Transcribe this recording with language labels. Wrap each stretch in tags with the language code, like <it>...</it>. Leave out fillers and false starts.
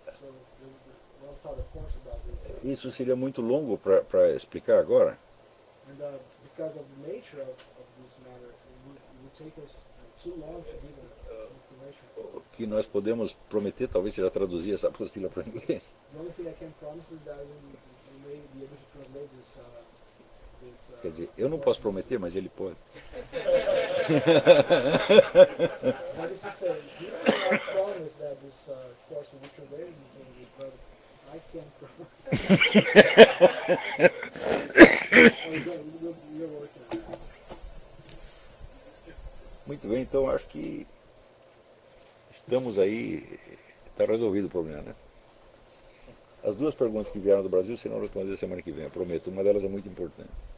<en>So, we haven't taught a course about this.</en> <pt>Isso seria muito longo para explicar agora.</pt> <en>And because of the nature of this matter, it would take us too long to give information.</en> <pt>O que nós podemos prometer, talvez seja traduzir essa apostila para inglês.</pt> <en>The only thing I can promise is that we may be able to translate this.</en> <pt>Quer dizer, eu não posso prometer, mas ele pode.</pt> <en>That is to say, you cannot promise that this course will be translated in English, but I can promise.</en> <pt>Muito bem, então acho que estamos aí, está resolvido o problema, né? As duas perguntas que vieram do Brasil serão respondidas semana que vem, eu prometo, uma delas é muito importante.</pt>